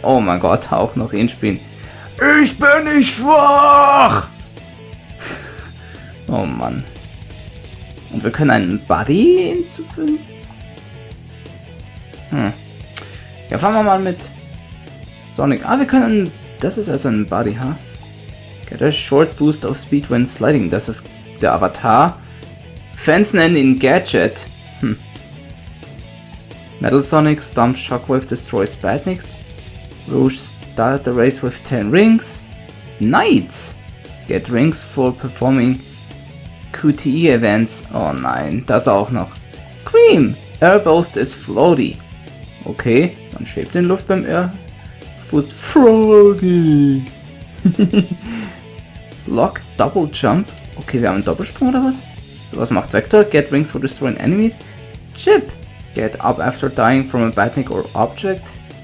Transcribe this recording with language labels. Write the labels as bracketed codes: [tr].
[de] Oh mein Gott, auch noch ihn spielen. Ich bin nicht schwach! Oh Mann. Und wir können einen Buddy hinzufügen? Ja, fangen wir mal mit Sonic. Ah, wir können... Das ist also ein Buddy, ha? Huh? [en] Get a short boost of speed when sliding. [de] Das ist der Avatar. Fans nennen ihn Gadget. [en] Metal Sonic, Stomp Shockwave, Destroys Batniks. Rouge, start the race with 10 rings. Knights! Get rings for performing QTE events. [de] Oh nein, das auch noch. Cream! [en] Airboost is floaty. [de] Okay, man schwebt in Luft beim Air. Boost Froggy! [en] Lock Double Jump. [de] Okay, wir haben einen Doppelsprung oder was? Sowas macht Vector. [en] Get rings for destroying enemies. Chip! Get up after dying from a Batnik or object.